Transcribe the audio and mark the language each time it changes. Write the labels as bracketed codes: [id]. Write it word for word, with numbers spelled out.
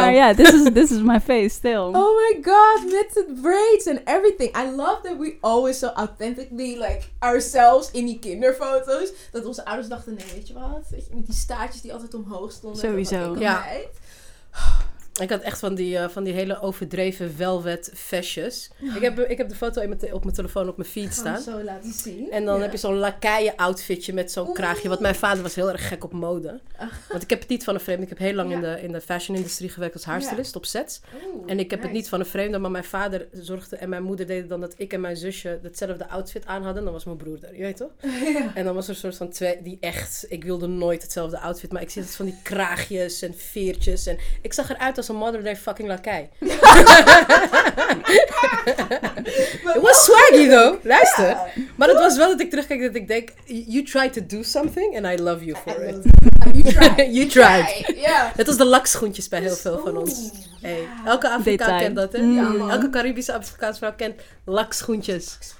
[en] Maar ja, yeah, this is, this is my face still. Oh my god, met the braids and everything. I love that we always so authentically like ourselves [nl] in die kinderfoto's. Dat onze ouders dachten, nee, weet je wat? Weet je, met die staartjes die altijd omhoog stonden. Sowieso. Ik ja. Ik had echt van die, uh, van die hele overdreven velvet vestjes. Ja. Ik, heb, ik heb de foto in mijn te- op mijn telefoon op mijn feed staan. Ik ga hem zo laten zien. En dan ja. heb je zo'n lakaien outfitje met zo'n Oeh. kraagje. Want mijn vader was heel erg gek op mode. Ach. Want ik heb het niet van een vreemde. Ik heb heel lang ja. in de, in de fashion-industrie gewerkt als haarstylist ja. op sets. Oeh, en ik heb nice. het niet van een vreemde. Maar mijn vader zorgde en mijn moeder deden dan dat ik en mijn zusje hetzelfde outfit aan hadden. Dan was mijn broer er, je weet toch? Ja. En dan was er een soort van twee, die echt... Ik wilde nooit hetzelfde outfit. Maar ik zit van die kraagjes en veertjes. En ik zag eruit als een [en] modern day [nl] fucking lakai. Het was [en] swaggy though. [nl] Luister. Yeah. Maar het was wel dat ik terugkijk dat ik denk... [en] You tried to do something and I love you for it. You tried. You tried. Yeah. [nl] Het was de lakschoentjes bij heel veel Ooh, van ons. Hey. Yeah. Elke Afrikaan kent dat, hè? Mm. Elke Caribische Afrikaanse vrouw kent lakschoentjes.